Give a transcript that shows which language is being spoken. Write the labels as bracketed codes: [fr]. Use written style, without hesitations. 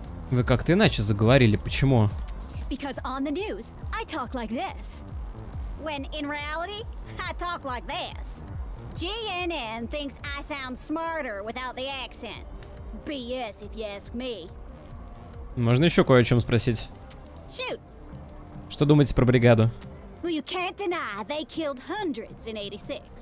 [ru] Вы как-то иначе заговорили, почему? [en] Because on the news, I talk like this. When in reality, I talk like this. GNN thinks I sound smarter without the accent. BS, if you ask me. [ru] Можно еще кое о чем спросить? [en] Shoot. [ru] Что думаете про бригаду? [en] Well, you can't deny they killed hundreds in 86.